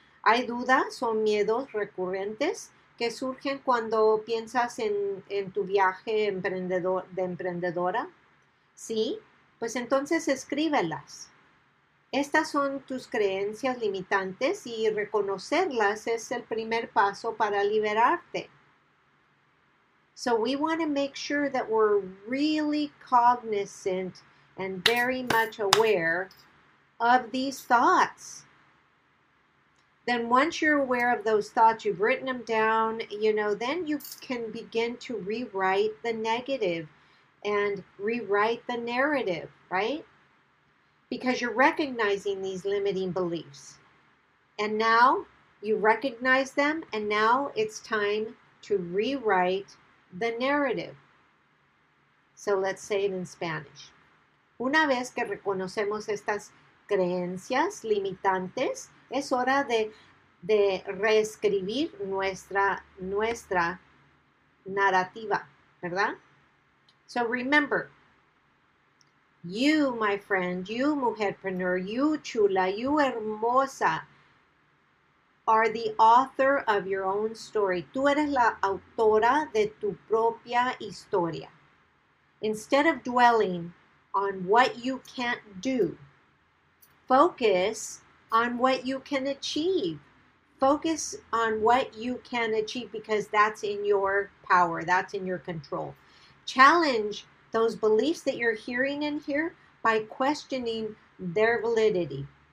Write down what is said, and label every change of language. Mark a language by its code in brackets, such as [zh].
[es] ¿Hay dudas o miedos recurrentes que surgen cuando piensas en tu viaje emprendedora? ¿Sí? Pues entonces escríbelas. Estas son tus creencias limitantes y reconocerlas es el primer paso para liberarte. [en] So we want to make sure that we're really cognizant and very much aware of these thoughts. Then once you're aware of those thoughts, you've written them down, you know, then you can begin to rewrite the negative and rewrite the narrative, right? Because you're recognizing these limiting beliefs. And now you recognize them, and now it's time to rewrite the narrative. So let's say it in Spanish. [es] Una vez que reconocemos estas creencias limitantes, es hora de de reescribir nuestra narrativa, ¿verdad? [en] So remember, you, my friend, you, mujerpreneur, you, chula, you, hermosa, are the author of your own story. [es] Tú eres la autora de tu propia historia. [en] Instead of dwelling on what you can't do, focus on what you can achieve. Focus on what you can achieve because that's in your power, that's in your control. Challenge those beliefs that you're hearing in here by questioning their validity.